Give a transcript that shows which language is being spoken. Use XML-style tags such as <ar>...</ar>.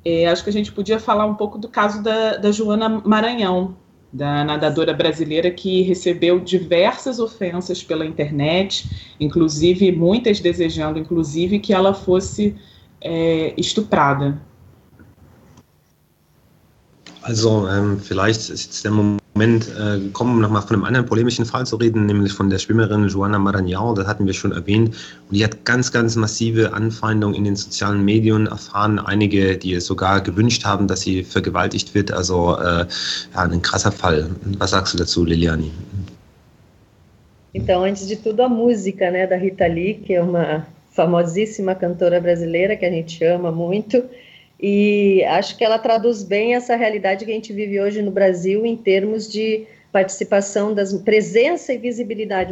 <pt>Acho que a gente podia falar um pouco do caso da Joana Maranhão, da nadadora brasileira que recebeu diversas ofensas pela internet, inclusive muitas desejando, inclusive, que ela fosse estuprada.</pt> <de>Also, vielleicht ist jetzt der Moment gekommen, nochmal von einem anderen polemischen Fall zu reden, nämlich von der Schwimmerin Joana Maranhão, das hatten wir schon erwähnt. Und die hat ganz, ganz massive Anfeindungen in den sozialen Medien erfahren. Einige, die es sogar gewünscht haben, dass sie vergewaltigt wird. Also, ein krasser Fall. Was sagst du dazu, Liliane?</de> <pt>Então, antes de tudo, a música, né, da Rita Lee, que é uma famosíssima cantora brasileira, que a gente ama muito. E acho que ela traduz bem essa realidade que a gente vive hoje no Brasil em termos de participação, presença e visibilidade.</pt>